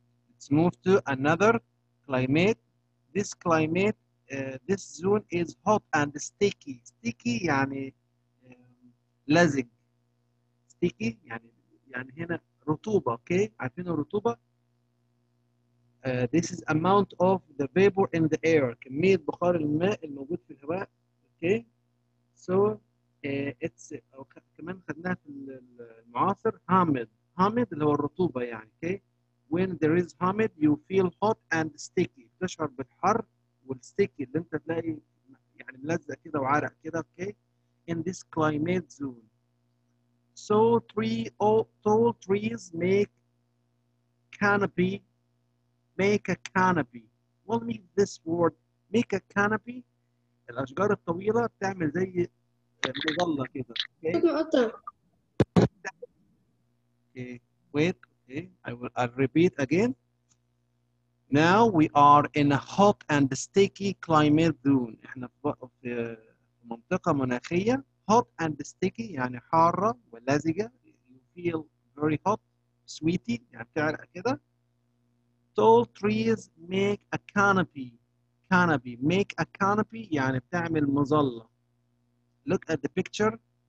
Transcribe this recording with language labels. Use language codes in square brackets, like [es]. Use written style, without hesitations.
[en] Let's move to another climate. This climate, this zone is hot and sticky. Sticky, yani lazy. [ar] Sticky, يعني هنا رطوبة, okay? عارفين الرطوبة? [en] This is amount of the vapor in the air. [ar] كمية بخار الماء الموجود في الهواء, okay? [en] So, it's, [ar] كمان خدناها في المعاصر, humid. Humid اللي هو الرطوبة يعني, okay? [en] When there is humid, you feel hot and sticky. [ar] تشعر بالحر والستيكي اللي انت تلاقي يعني ملزق كده وعرق كده, okay? [en] In this climate zone. tall trees make canopy, make a canopy. What mean this word, make a canopy? [ar] الأشجار الطويلة تعمل زي مظلة كده. [en] Okay. Okay. Wait. Okay. I'll repeat again. Now we are in a hot and sticky climate zone. [ar] إحنا في منطقة مناخية. [en] Hot and sticky [ar] يعني حارة ولزجة. [en] You feel very hot, sweaty [ar] يعني تعرق كده. [en] Tall trees make a canopy. Canopy. Make a canopy [ar] يعني بتعمل مظلة. [en] Look at the picture.